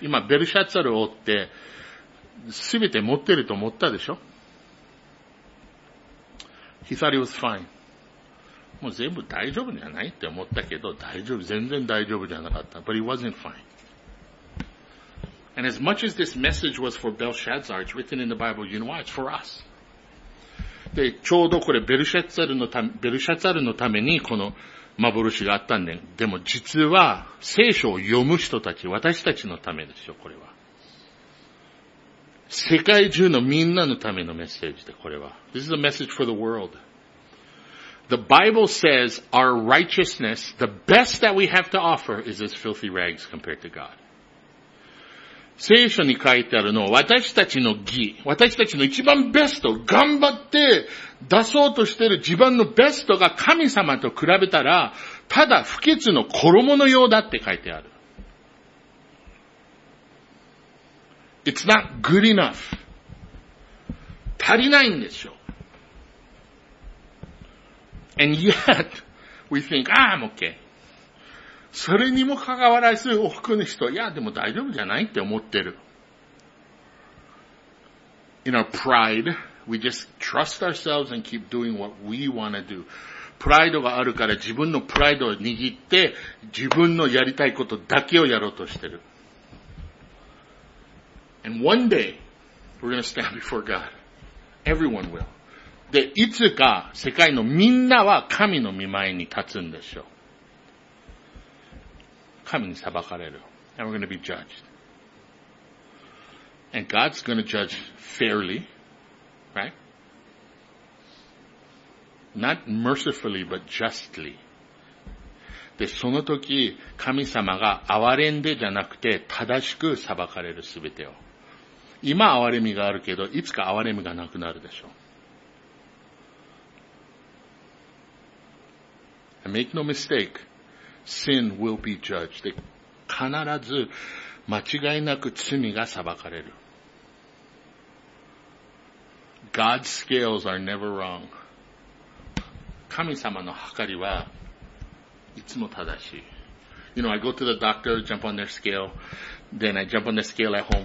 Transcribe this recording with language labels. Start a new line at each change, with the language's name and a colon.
Japanese: 今、ベルシャツァルを追って、すべて持ってると思ったでしょ
English: ?He thought he was fine.
Japanese: もう全部大丈夫じゃないって思ったけど、大丈夫、全然大丈夫じゃなかった。
English: But he wasn't fine. And as much as this message was for Belshazzar, it's written in the Bible, you know why? It's for us.
Japanese: で、ちょうどこれベルシャツァルのためにこの幻があったんで、でも実は聖書を読む人たち、私たちのためですよ、これは。世界中のみんなのためのメッセージで、これは。
English: This is a message for the world. The Bible says our righteousness, the best that we have to offer is as filthy rags compared to God.
Japanese: 聖書に書いてあるのは私たちの義、私たちの一番ベスト、頑張って出そうとしている自分のベストが神様と比べたら、ただ不潔の衣のようだって書いてある。
English: It's not good enough.
Japanese: 足りないんでしょう。
English: And yet, we think, ah, I'm okay.
Japanese: それにもかかわらず、おふくの人、いや、でも大丈夫じゃないって思ってる。
English: In our pride, we just trust ourselves and keep doing what we want to do.
Japanese: プライドがあるから自分のプライドを握って、自分のやりたいことだけをやろうとしてる。
English: And one day, we're going to stand before God. Everyone will.
Japanese: で、いつか世界のみんなは神の御前に立つんでしょう。神に裁かれる。
English: And we're going to be judged. And God's going to judge fairly, right? Not mercifully, but justly.
Japanese: で、その時、神様が憐れんでじゃなくて、正しく裁かれるすべてを。今、憐れみがあるけど、いつか憐れみがなくなるでしょう。
English: And make no mistake. Sin will be judged. で、
Japanese: 必ず間違いなく罪が裁かれる。
English: God's scales are never wrong.
Japanese: 神様の計りはいつも正しい。
English: You know, I go to the doctor, jump on their scale, then I jump on the scale at home.